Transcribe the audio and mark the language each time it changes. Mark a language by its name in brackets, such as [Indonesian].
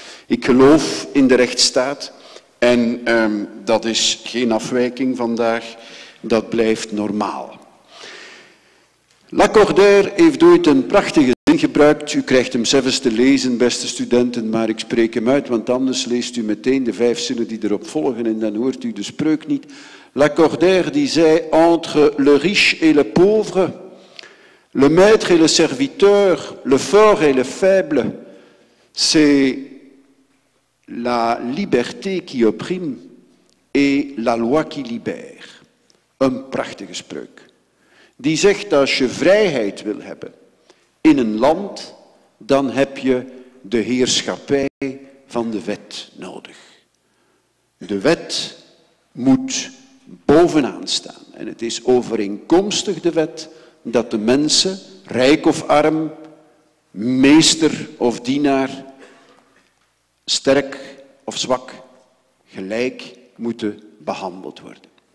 [Dutch] Ik geloof in de rechtsstaat, en dat is geen afwijking vandaag. Dat blijft normaal. Lacordaire heeft ooit een prachtige zin gebruikt. U krijgt hem zelfs te lezen, beste studenten, maar ik spreek hem uit, want anders leest u meteen de 5 zinnen die erop volgen en dan hoort u de spreuk niet. [French] Lacordaire [Dutch] die zei, [French] entre le riche et le pauvre, le maître et le serviteur, le fort et le faible, c'est la liberté qui opprime et la loi qui libère. [Dutch] Een prachtige spreuk. Die zegt dat als je vrijheid wil hebben in een land, dan heb je de heerschappij van de wet nodig. De wet moet bovenaan staan. En het is overeenkomstig de wet dat de mensen, rijk of arm, meester of dienaar, sterk of zwak, gelijk moeten behandeld worden.